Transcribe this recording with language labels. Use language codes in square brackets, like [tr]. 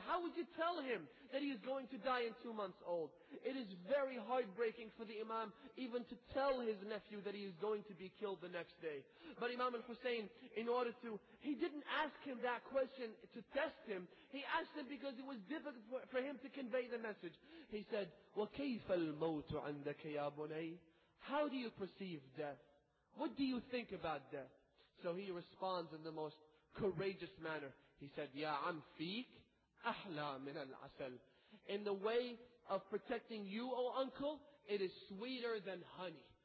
[en] How would you tell him that he is going to die in 2 months old? It is very heartbreaking for the Imam even to tell his nephew that he is going to be killed the next day. But Imam al-Hussein, he didn't ask him that question to test him. He asked him because it was difficult for him to convey the message. He said, [ar] وَكَيْفَ الْمَوْتُ عَنْدَكَ يَا بُنَيْ? [en] How do you perceive death? What do you think about death? So he responds in the most courageous manner. He said, [ar] Ya am fiq ahla min al asal. [en] In the way of protecting you, O uncle, it is sweeter than honey.